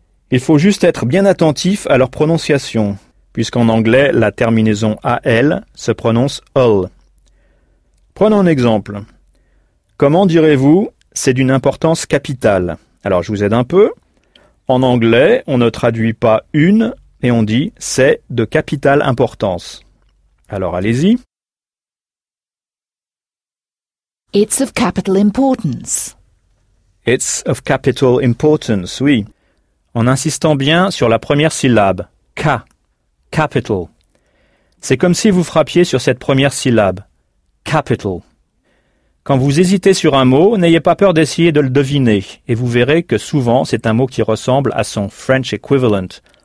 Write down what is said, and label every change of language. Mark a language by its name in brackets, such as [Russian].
[French] Il faut juste être bien attentif à leur prononciation, puisqu'en anglais, la terminaison « al » se prononce « all ». Prenons un exemple. Comment direz-vous « c'est d'une importance capitale » Alors, je vous aide un peu. En anglais, on ne traduit pas « une » et on dit « c'est de capitale importance ». Alors, allez-y. [English] It's of capital importance. It's of capital importance, [French] oui. En insistant bien sur la première syllabe, ka, capital. C'est comme si vous frappiez sur cette première syllabe, capital. Quand vous hésitez sur un mot, n'ayez pas peur d'essayer de le deviner, et vous verrez que souvent c'est un mot qui ressemble à son [English] French equivalent.